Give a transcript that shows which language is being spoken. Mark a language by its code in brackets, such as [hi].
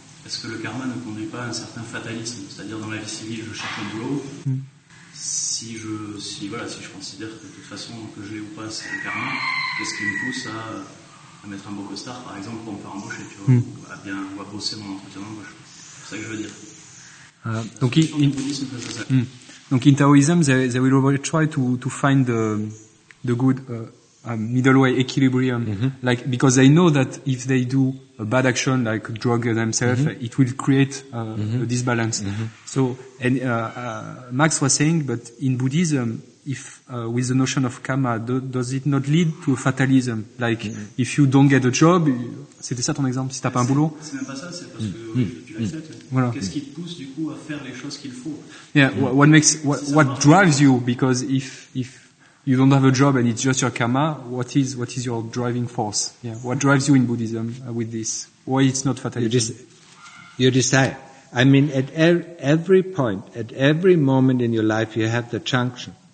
[fr] Est-ce que le karma ne conduit pas à un certain fatalisme? C'est-à-dire, dans la vie civile, je cherche un boulot. Si je considère que de toute façon, que je l'ai ou pas, c'est le karma, qu'est-ce qui me pousse à mettre un beau costard, par exemple, pour me faire embaucher, tu vois, ou à bosser mon entretien d'embauche. C'est ça que je veux dire. [en] In Taoism, they will always try to find the good middle way, equilibrium, like, because they know that if they do a bad action, like drug themselves, it will create a disbalance. So, and Max was saying, but in Buddhism, if with the notion of karma, does it not lead to a fatalism? Like, if you don't get a job, [fr] c'était ça ton exemple, si t'as pas un boulot? C'est même pas ça, c'est parce que tu l'acceptes. Voilà. Qu'est-ce qui te pousse, du coup, à faire les choses qu'il faut? [en] Yeah, what drives you? Because if you don't have a job and it's just your karma, what is your driving force? Yeah. What drives you in Buddhism with this? Why it's not fatalism? You desire. I mean, at every point, at every moment in your life, you have the junction.